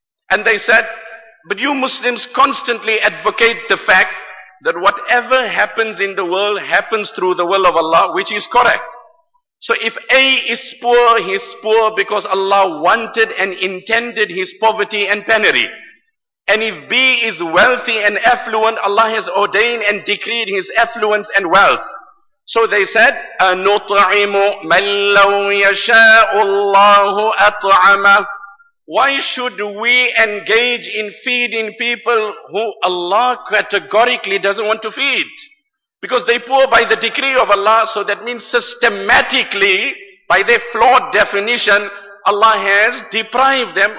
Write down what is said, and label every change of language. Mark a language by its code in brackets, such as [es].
[en] And they said, but you Muslims constantly advocate the fact that whatever happens in the world happens through the will of Allah, which is correct. So if A is poor, he's poor because Allah wanted and intended his poverty and penury. And if B is wealthy and affluent, Allah has ordained and decreed his affluence and wealth. So they said, [ar] أَنُطْعِمُ مَنْ لَوْ يَشَاءُ اللَّهُ أَطْعَمَهُ. [en] Why should we engage in feeding people who Allah categorically doesn't want to feed? Because they poor by the decree of Allah, so that means systematically, by their flawed definition, Allah has deprived them.